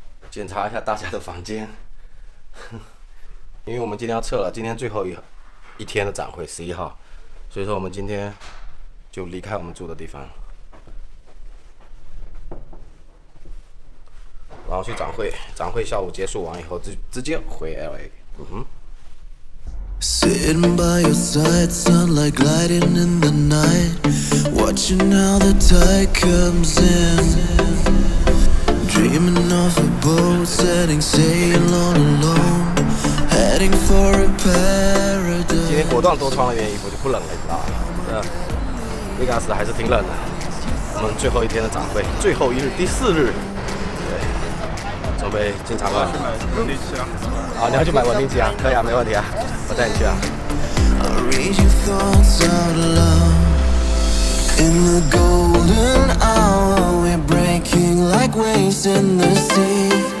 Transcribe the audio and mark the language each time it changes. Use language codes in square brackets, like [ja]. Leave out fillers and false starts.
[zh] 检查一下大家的房间，因为我们今天要撤了，今天最后一天的展会，11号，所以说我们今天就离开我们住的地方，然后去展会。展会下午结束完以后，直接回 LA。嗯哼。 [en] Sitting by your side, sunlight gliding in the night, watching how the tide comes in. Dreaming of a boat setting sail all alone, heading for a paradise. [zh] 今天果断多穿了点衣服，就不冷了，你知道吗？那个时还是挺冷的。我们最后一天的展会，最后一日，第四日，对，准备进场了。好，你要去买稳定器啊？可以啊，没问题啊。我带你去啊。 [en] I'll read your thoughts out loud. In the golden hour, we're breaking like waves in the sea.